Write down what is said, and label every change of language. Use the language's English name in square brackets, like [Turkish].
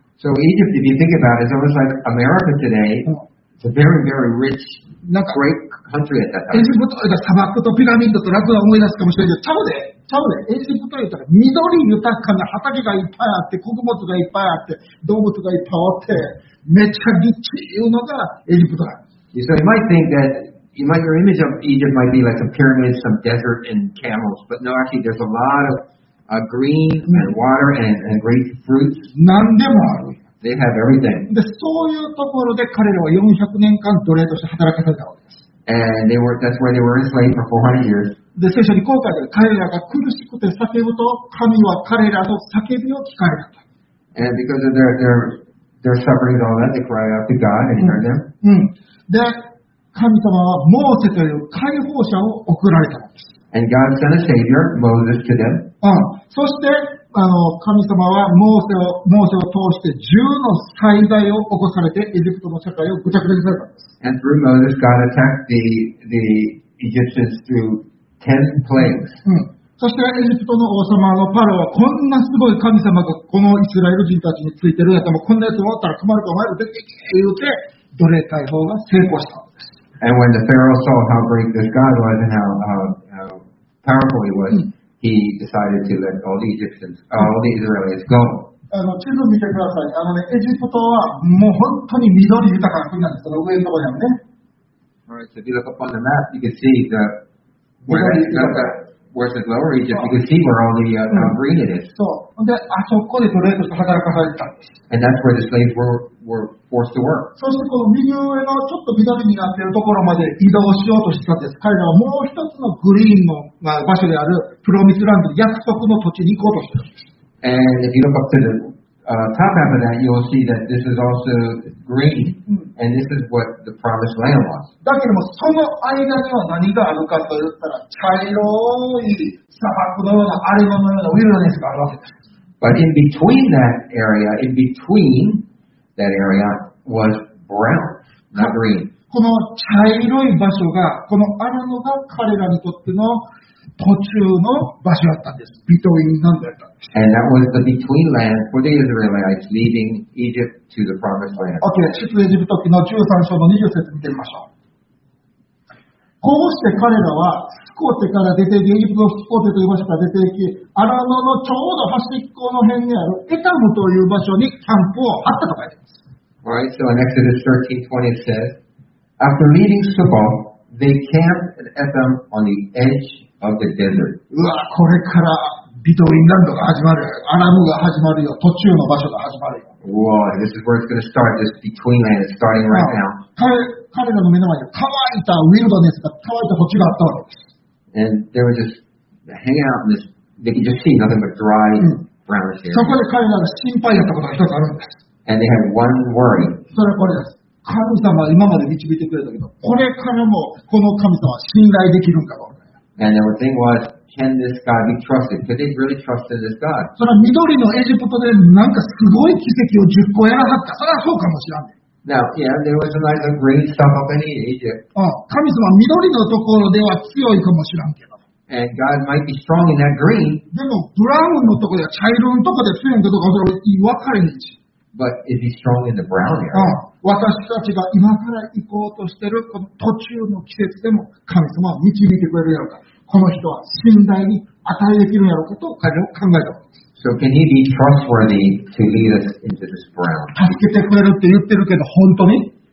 [English] So Egypt, if you think about it, it's almost like America today. It's a very, very rich, great country at that time. [Japanese] エジプトは砂漠とピラミッドとラクダを思い出すかもしれないけど、ちゃうで。エジプトは緑豊かな畑がいっぱいあって、穀物がいっぱいあって、動物がいっぱいあって、めちゃリッチいうのがエジプトだ。 [English] So you might think that your image of Egypt might be like some pyramids, some desert, and camels, but no, actually, there's a lot of green and water and great fruits. [Japanese] 何でもある。 [English] They have everything. [Japanese] で、そういうところで彼らは400年間奴隷として働かされたわけです。 [English] And that's where they were enslaved for 400 years. [Japanese] で、聖書にこう書いてある。彼らが苦しくて叫ぶと、神は彼らの叫びを聞かれた。 [English] And because of their suffering and all that, they cry out to God and he heard them. [Japanese] で、神様はモーセという解放者を送られたのです。 [English] And God sent a savior, Moses, to them. [Japanese] そして、あの神様はモーセを通して10の災害を起こされてエジプトの社会をぐちゃぐちゃにされたんです。 [English] And through Moses, God attacked the Egyptians through 10 plagues. [Japanese] そしてエジプトの王様のパロはこんなすごい神様がこのイスラエル人たちについてるやつもこんなやつもあったら困るとお前ら出て行けって言って奴隷解放が成功したんです。 [English] And when the Pharaoh saw how great this God was and how powerful he was,He decided to let all the Egyptians, all the Israelites go. [Japanese] あの地図見てください。あのね、エジプトはもう本当に緑豊かな国なんです。その上のところにね。 [English] Alright, so if you look up on the map, you can see that where's the lower Egypt. You can see where all the green it is. [Japanese] そう。で、あそこで奴隷として働かされてたんです。 [English] And that's where the slaves were forced to work. [Japanese] そしてこの右上のちょっと緑になっているところまで移動しようとしてたんです。彼らはもう一つのグリーンの場所であるプロミスランド、約束の土地に行こうとしてたんです。 [English] And if you look up to the top half of that, you'll see that this is also green, and this is what the promised land was. [Japanese] だけどもその間には何があるかと言ったら、茶色い砂漠のような荒れ野のようなウィルダネスがあるわけです。 [English] But in between that area, in between that area was brown, not green. [Japanese] この茶色い場所が、この荒野が彼らにとっての途中の場所だったんです。 Between なんだったんです。 [English] And that was the between land for the Israelites leaving Egypt to the promised land. [Japanese] OK、出エジプト記の13章の20節見てみましょう。こうして彼らはスコーテから出て、エジプトのスコーテという場所から出て行き、アラノのちょうど端っこの辺にあるエタムという場所にキャンプを張ったと書いてます。 [English] Alright, so in Exodus 13:20 it says, After leaving Sukkoth, they camped at Etham on the edge of the desert. [Japanese] うわ、これからビトウィンランドが始まる。アラノが始まるよ。途中の場所が始まるよ。 [English] Whoa, this is where it's going to start, this between land is starting right now. [Japanese] 彼らの目の前に乾いたウィルドネスが乾いた土地があったわけです。 [English] And they were just hanging out in this, they could just see nothing but dry, brownish area. [Japanese] そこで彼らが心配だったことが一つあるんです。 [English] And they had one worry. [Japanese] それはこれです。神様は今まで導いてくれたけど、これからもこの神様は信頼できるんかと。 [English] And their thing was, can this God be trusted? Could they really trust in this God? [Japanese] それは緑のエジプトでなんかすごい奇跡を10個やらはった。それはそうかもしれない。 [English] Now, yeah, there was a nice and green stuff up in Egypt. [Japanese] 神様緑のところでは強いかもしれんけど。 [English] And God might be strong in that green. [Japanese] でもブラウンのところでは茶色のところで強いのかどうか分かれないし。 [English] But is he strong in the brown area? [Japanese] 私たちが今から行こうとしてるこの途中の季節でも神様は導いてくれるやろうか。この人は信頼に値できるやろうかと彼を考えた。 [English] So can he be trustworthy to lead us into this brown? [Japanese] 助けてくれるって言ってるけど本当に？